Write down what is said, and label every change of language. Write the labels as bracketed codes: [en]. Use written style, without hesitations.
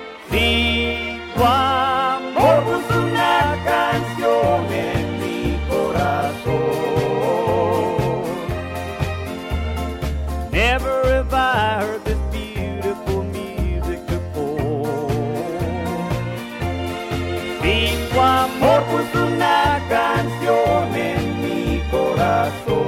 [es] Si amor es una canción en mi corazón. [en] Never have I heard this beautiful music before. [es] Si amor es una canción en mi corazón.